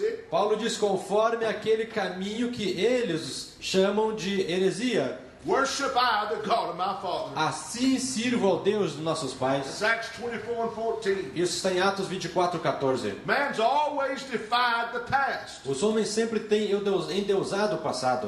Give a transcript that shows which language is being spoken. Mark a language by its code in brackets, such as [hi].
[pt] Paulo diz: conforme aquele caminho que eles chamam de heresia. [en] Worship I the God of my father. [pt] Assim sirvo ao Deus dos nossos pais. [en] Acts 24 and 14. [pt] Isso está em Atos 24, 14. [en] Man's always defied the past. [pt] Os homens sempre têm endeusado o passado.